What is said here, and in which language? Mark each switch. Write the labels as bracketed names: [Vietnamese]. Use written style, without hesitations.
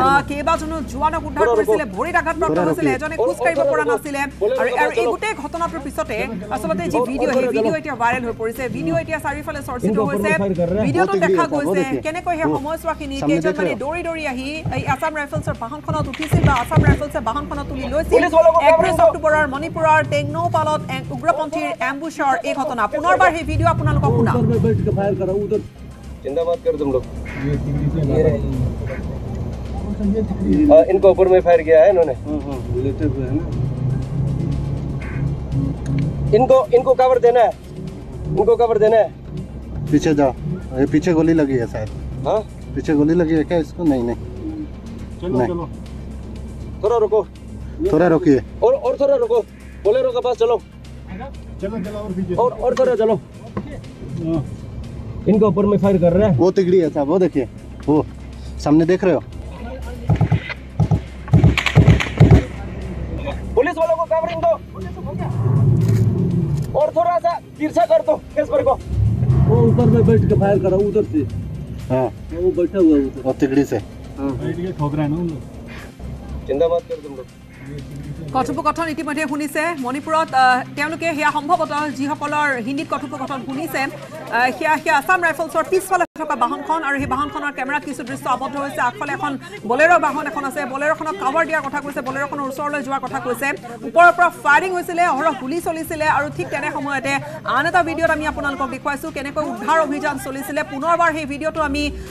[Assamese] কেইবাজনো জোৱানক উদ্ধাৰ কৰিছিলে ভৰিত আঘাতপ্ৰাপ্ত হৈছিলে এজনে খোজকাঢ়িব পৰা নাছিলে আৰু এই গোটেই ঘটনাটোৰ পিছতে আচলতে যি ভিডিঅ' সেই ভিডিঅ' এতিয়া ভাইৰেল হৈ পৰিছে ভিডিঅ' এতিয়া চাৰিওফালে চৰ্চিত হৈছে ভিডিঅ'টো দেখা গৈছে কেনেকৈ সেই সময়ছোৱাখিনি কেইজনমানে দৌৰি দৌৰি আহি এই আসাম ৰাইফলছৰ বাহনখনত উঠিছিল বা আসাম ৰাইফলছে বাহনখনত তুলি লৈছিল 31 অক্টোবৰৰ মণিপুৰৰ টেংনোপালত উগ্ৰপন্থীৰ এম্বুছৰ এই ঘটনা পুনৰবাৰ সেই ভিডিঅ' আপোনালোকক [Hindi] ऊपर में फायर किया है इन्होंने इनको कवर देना है पीछे जाओ ये पीछे गोली लगी है शायद पीछे गोली लगी है क्या इसको नहीं नहीं चलो नहीं। चलो थोड़ा रुको थोड़ा रुकिए और थोड़ा रुको बोलेरो के पास चलो और थोड़ा चलो इनके ऊपर में फायर कर रहा है वो तिगड़ी है साहब वो देखिए वो सामने देख रहे हो पुलिस वालों को कवरिंग दो और थोड़ा सा तिरछा कर दो इस पर को वो ऊपर में बैठ के फायर कर रहा उधर से हाँ वो बैठा हुआ है वो तिगड़ी से बैठ के ठोक रहा है ना उन लोग जिंदाबाद कर तुम लोग [Assamese] কথোপকথন ইতিমধ্যে শুনিছে মণিপুৰত তেওঁলোকে হেয়া সম্ভৱত যিসকলৰ হিন্দীত কথোপকথন শুনিছে হেয়া হেয়া আসাম ৰাইফলছৰ পিছফালে থকা বাহনখন আৰু সেই বাহনখনৰ কেমেৰা কিছু দৃশ্য আবদ্ধ হৈছে আগফালে এখন বলেৰ' বাহন এখন আছে বলেৰ'খনক কাভাৰ দিয়াৰ কথা কৈছে বলেৰ'খনৰ ওচৰলৈ যোৱাৰ কথা কৈছে ওপৰৰ পৰা ফায়াৰিং হৈছিলে অহৰহ গুলী চলিছিলে আৰু ঠিক তেনে সময়তে আন এটা ভিডিঅ'ত আমি আপোনালোকক দেখুৱাইছোঁ কেনেকৈ উদ্ধাৰ অভিযান চলিছিলে পুনৰবাৰ সেই ভিডিঅ'টো আমি